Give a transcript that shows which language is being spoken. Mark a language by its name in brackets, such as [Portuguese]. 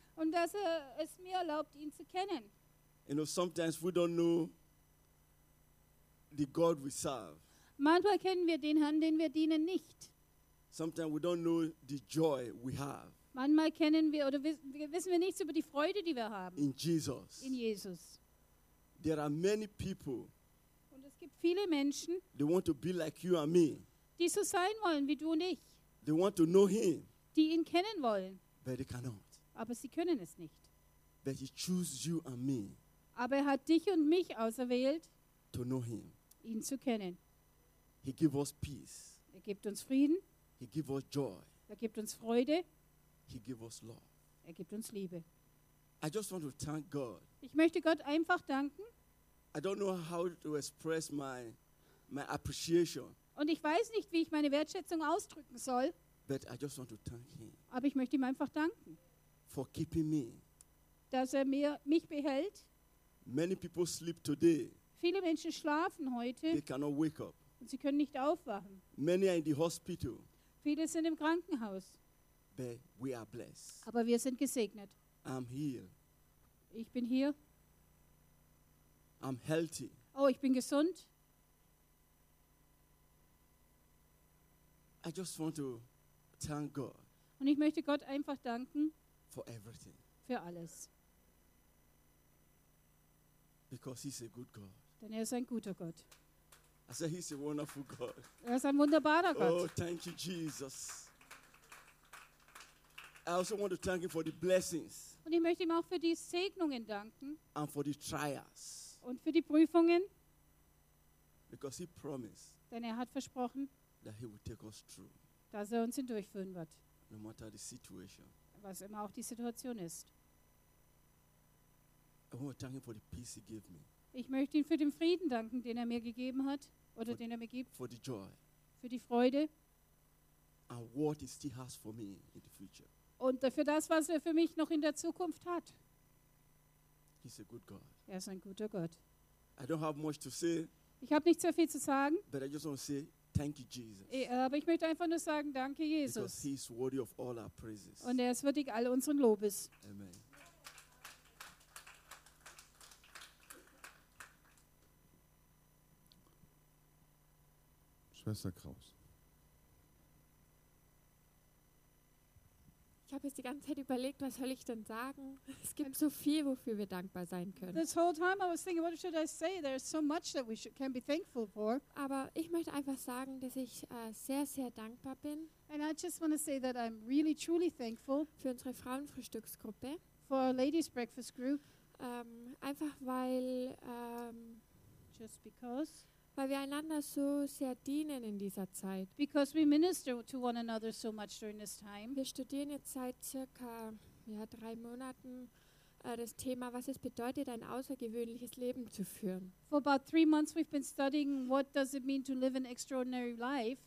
[German] Und dass er es mir erlaubt, ihn zu kennen. [English] You know, sometimes we don't know the God we serve. [German] Manchmal kennen wir den Herrn, den wir dienen, nicht. [English] Sometimes we don't know the joy we have. [German] Manchmal kennen wir oder wissen wir nichts über die Freude, die wir haben. [English] In Jesus. [German] In Jesus. [English] There are many people. [German] Und es gibt viele Menschen. [English] They want to be like you and me. [German] Die so sein wollen wie du und ich. [English] They want to know him. [German] Die ihn kennen wollen. [English] But they cannot. [German] Aber sie können es nicht. [English] But he chose you and me. [German] Aber er hat dich und mich auserwählt. [English] To know him. [German] Ihn zu kennen. [English] He gives us peace. [German] Er gibt uns Frieden. [English] He gives us joy. [German] Er gibt uns Freude. [English] He gives us love. [German] Er gibt uns Liebe. [English] I just want to thank God. [German] Ich möchte Gott einfach danken. [English] I don't know how to express my appreciation. [German] Und ich weiß nicht, wie ich meine Wertschätzung ausdrücken soll. [English] But I just want to thank him. [German] Aber ich möchte ihm einfach danken. [English] For keeping me. [German] Dass er mich behält. [English] Many people sleep today. [German] Viele Menschen schlafen heute. [English] They cannot wake up. [German] Und sie können nicht aufwachen. [English] Many are in the hospital. [German] Viele sind im Krankenhaus. [English] But we are blessed. [German] Aber wir sind gesegnet. [English] I'm here. [German] Ich bin hier. [English] I'm healthy. [German] Oh, ich bin gesund. [English] I just want to thank God. [German] Und ich möchte Gott einfach danken. [English] For everything. [German] Für alles. [English] Because he's a good God. [German] Denn er ist ein guter Gott. [English] I said he's a wonderful God. [German] Er ist ein wunderbarer Gott. [English] Oh, thank you, Jesus. I also want to thank him for the blessings. [German] Und ich möchte ihm auch für die Segnungen danken. [English] And for the trials. [German] Und für die Prüfungen. [English] Because he promised. [German] Denn er hat versprochen. [English] That he will take us through. [German] Dass er uns hindurchführen wird. [English] No matter the situation. [German] Was immer auch die Situation ist. [English] I want to thank him for the peace he gave me. [German] Ich möchte ihm für den Frieden danken, den er mir gegeben hat oder den er mir gibt. [English] For the joy. [German] Für die Freude. [English] And what he still has for me in the future. [German] Und für das, was er für mich noch in der Zukunft hat. [English] He's a good God. [German] Er ist ein guter Gott. [English] I don't have much to say. [German] Ich habe nicht sehr viel zu sagen. [English] But I just want to say thank you, Jesus. [German] Aber ich möchte einfach nur sagen, danke, Jesus. [English] Because he is worthy of all our praises. [German] Und er ist würdig all unseren Lobes. Amen. Schwester Kraus. Ich habe jetzt die ganze Zeit überlegt, was soll ich denn sagen? Es gibt so viel, wofür wir dankbar sein können. [English] This whole time I was thinking, what should I say? There's so much that we can be thankful for. [German] Aber ich möchte einfach sagen, dass ich sehr, sehr dankbar bin. [English] And I just want to say that I'm really, truly thankful. [German] Für unsere Frauenfrühstücksgruppe. [English] For our ladies' breakfast group. [German] Einfach weil. [English] Just because. [German] Weil wir einander so sehr dienen in dieser Zeit. [English] Because we minister to one another so much during this time. [German] Wir studieren jetzt seit circa drei Monaten das Thema, was es bedeutet, ein außergewöhnliches Leben zu führen. [English] For about 3 months we've been studying what does it mean to live an extraordinary life.